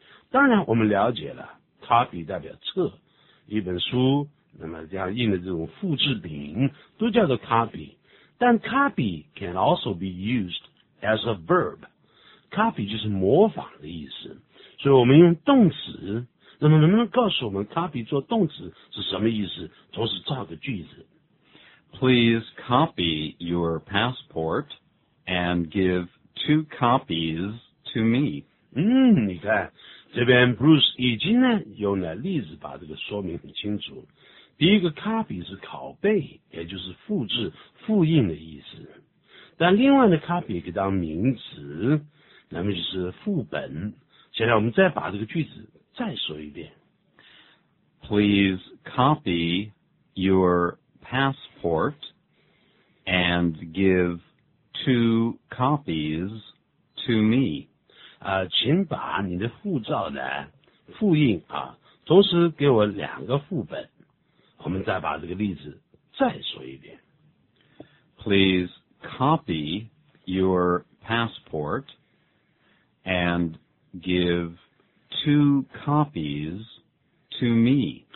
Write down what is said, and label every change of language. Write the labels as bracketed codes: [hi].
[zh] 当然我们了解了 copy 代表册，一本书那么这样印的这种复制品都叫做 copy, 但 [en] copy can also be used as a verb. [zh] Copy 就是模仿的意思，所以我们用动词，那么能不能告诉我们 copy 做动词是什么意思，同时造个句子。 [en] Please copy your passportand give 2 copies to me. [zh] 你看这边 Bruce 已经呢用了例子把这个说明很清楚。第一个 copy 是拷贝，也就是复制复印的意思。但另外的 copy 可以当名词，那么就是副本。现在我们再把这个句子再说一遍。 [en] Please copy your passport and give two copies to me. [zh] 请把你的护照呢复印啊，同时给我两个副本。我们再把这个例子再说一遍。 [en] Please copy your passport and give two copies to me.